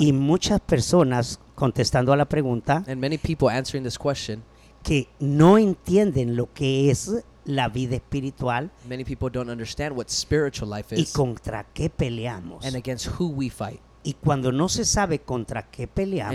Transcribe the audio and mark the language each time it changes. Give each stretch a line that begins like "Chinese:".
Spanish: Y muchas personas contestando a la pregunta.
English: And many people answering this question.
Spanish: Que no entienden lo que es la vida espiritual.
English: Many people don't understand what spiritual life is.
Spanish: Y contra qué peleamos.
English: And against who we fight.
Spanish: Y cuando no se sabe contra qué peleamos.